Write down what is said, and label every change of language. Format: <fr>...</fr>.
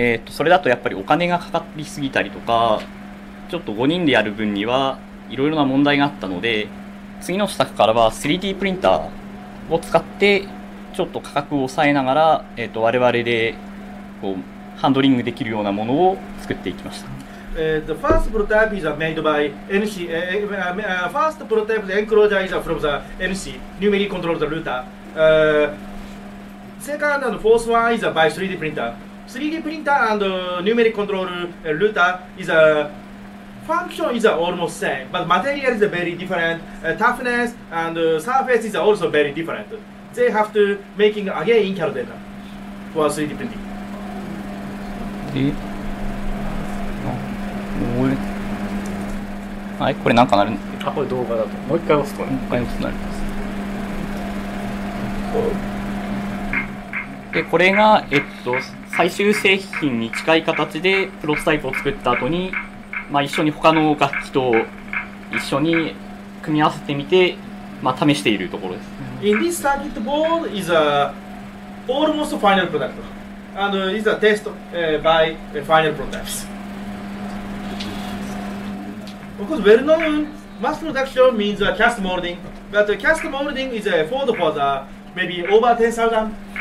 <ja>それだとやっぱりお金がかかりすぎたりとか、ちょっと5人でやる分にはいろいろな問題があったので、次の試作からは 3D プリンターを使ってちょっと価格を抑えながら、我々でハンドリングできるようなものを作っていきました。</ja> <en>The first prototype is made by NC. First prototype enclosure is from the NC, numerical control router. Second and fourth one is by 3D printer. 3D printer and numerical control router is a function is almost same, but material is very different. Toughness and surface is also very different. They have to making again in CAD data for 3D printing.</en> <ja>はい、これなんかなる、あ、これ動画だと、もう一回押すと、もう一回押すとなります。で、これが、最終製品に近い形でプロトタイプを作った後に、まあ、一緒に他の楽器と一緒に組み合わせてみて、まあ、試しているところです。</ja> <en>In this circuit board is a almost final productAnd it's a test by final prototypes. Of course, well-known mass production means cast molding, but cast molding is afford for the maybe over 10,000.</en>